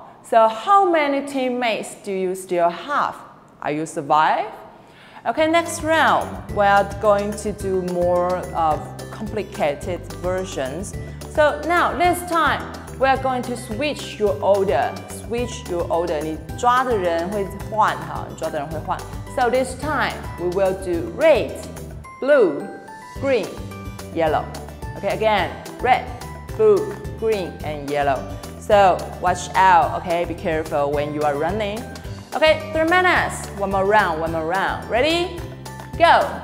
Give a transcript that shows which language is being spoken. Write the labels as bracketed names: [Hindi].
[English] So how many teammates do you still have? Are you survive? Okay, next round, we are going to do more of complicated versions. So now, this time, we are going to switch your order. [Chinese] 你抓的人会换哈，你抓的人会换。 [English] So this time, we will do red, blue, green, yellow. Okay, again, red, blue, green, and yellow. So watch out, okay, be careful when you are running. Okay, 3 minutes. One more round. Ready? Go.